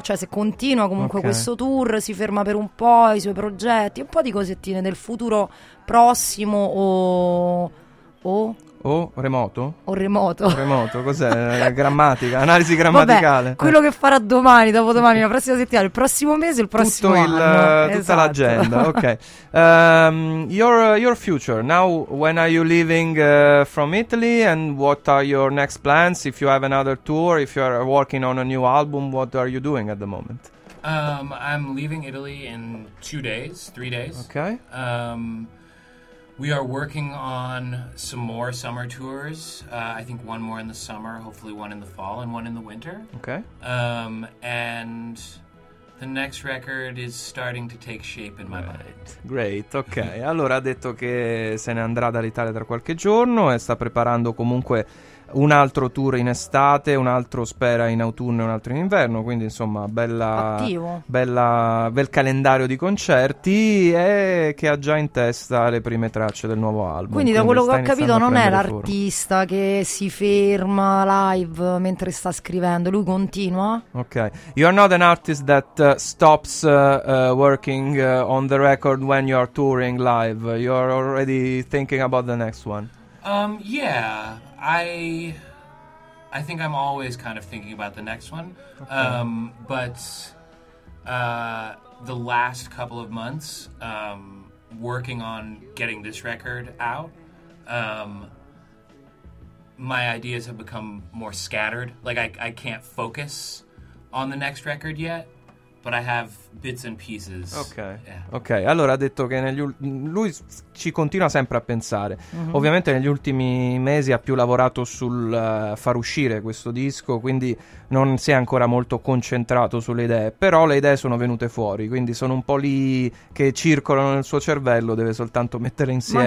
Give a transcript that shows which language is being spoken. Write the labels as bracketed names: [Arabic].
[Italian] Cioè, se continua comunque questo tour, si ferma per un po', i suoi progetti, un po' di cosettine del futuro prossimo o remoto, cos'è? Grammatica, analisi grammaticale. Vabbè, quello che farà domani, dopodomani, la prossima settimana, il prossimo mese, il prossimo tutto anno. Esatto. Tutta l'agenda, ok. [English] Your future, now when are you leaving from Italy, and what are your next plans, if you have another tour, if you are working on a new album, what are you doing at the moment? I'm leaving Italy in 2 days, 3 days. Okay. We are working on some more summer tours. I think one more in the summer, hopefully one in the fall and one in the winter. Okay. And the next record is starting to take shape in my mind. Great, ok. [Italian] Allora ha detto che se ne andrà dall'Italia tra qualche giorno e sta preparando comunque un altro tour in estate, un altro spera in autunno e un altro in inverno, quindi insomma bel calendario di concerti, e che ha già in testa le prime tracce del nuovo album. Quindi da quello che ho capito non è l'artista che si ferma live mentre sta scrivendo, lui continua. [English] Ok, you are not an artist that stops working on the record when you are touring live, you are already thinking about the next one. Yeah, I think I'm always kind of thinking about the next one. Okay. But the last couple of months, working on getting this record out, my ideas have become more scattered. Like, I can't focus on the next record yet. But I have bits and pieces. Ok, yeah. [Italian] Ok, allora ha detto che lui ci continua sempre a pensare. Mm-hmm. Ovviamente negli ultimi mesi ha più lavorato sul far uscire questo disco, quindi non si è ancora molto concentrato sulle idee, però le idee sono venute fuori, quindi sono un po' lì che circolano nel suo cervello, deve soltanto metterle insieme.